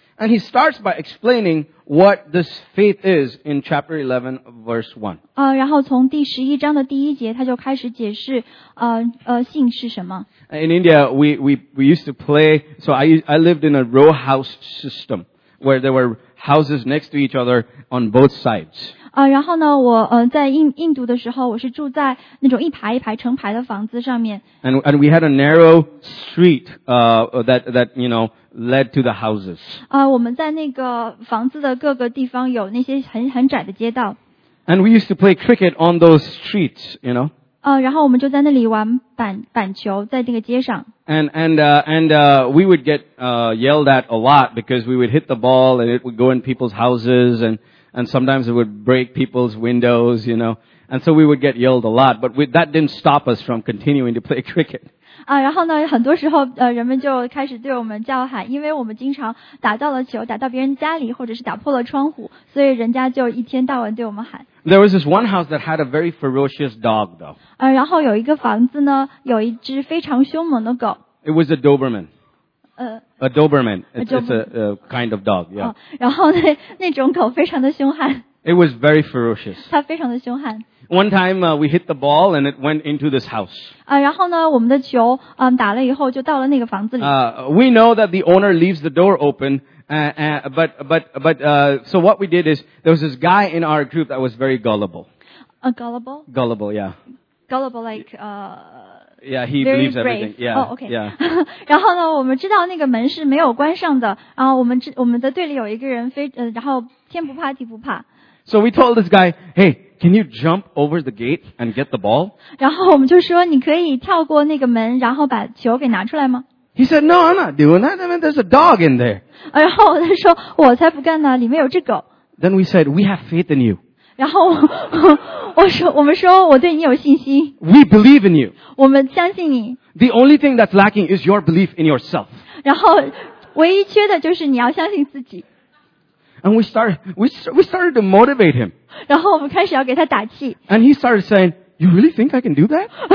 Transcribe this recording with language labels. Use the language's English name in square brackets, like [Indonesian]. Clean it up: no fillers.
[English] And he starts by explaining what this faith is in chapter 11, verse 1. [Chinese] 然后从第十一章的第一节他就开始解释信是什么。 [English] In India, we used to play, so I lived in a row house system, where there were houses next to each other on both sides. [Chinese] 然后呢我在印度的时候我是住在那种一排一排成排的房子上面。 [English] And we had a narrow street, that, you know,led to the houses. [Chinese] 我们在那个房子的各个地方有那些很窄的街道。 [English] And we used to play cricket on those streets, you know. [Chinese] 然后我们就在那里玩板球在那个街上。 [English] And we would get, yelled at a lot because we would hit the ball and it would go in people's houses and sometimes it would break people's windows, you know. And so we would get yelled a lot, but that didn't stop us from continuing to play cricket. [Chinese] 然后呢很多时候人们就开始对我们叫喊因为我们经常打到了球打到别人家里或者是打破了窗户所以人家就一天到晚对我们喊。 [English] There was this one house that had a very ferocious dog though. [Chinese] 然后有一个房子呢有一只非常凶猛的狗。 [English] It was a Doberman. A Doberman. It's a kind of dog, yeah. [Chinese] 然后那种狗非常的凶悍。 [English] It was very ferocious. [Chinese] 它非常的凶悍。 [English] One time, we hit the ball and it went into this house. [Chinese] 然后呢我们的球打了以后就到了那个房子里。 [English] We know that the owner leaves the door open, so what we did is, there was this guy in our group that was very gullible. Gullible? Gullible, yeah. Gullible like, Yeah, he believes everything. Yeah. Oh, okay. Yeah. [Chinese] 然后呢我们知道那个门是没有关上的然后我们的队里有一个人然后天不怕地不怕。 [English] So we told this guy, hey, can you jump over the gate and get the ball? [Chinese] 然后我们就说你可以跳过那个门然后把球给拿出来吗 [English] He said, no, I'm not doing that. I mean, there's a dog in there. [Chinese] 然后他说我才不干呢里面有只狗。 [English] Then we said, we have faith in you. [Chinese] 然后我们说我对你有信心。 [English] We believe in you. [Chinese] 我们相信你。 [English] The only thing that's lacking is your belief in yourself. [Chinese] 然后唯一缺的就是你要相信自己。 [English] And we started to motivate him. [Chinese] 然后我们开始要给他打气。 [English] And he started saying, you really think I can do that?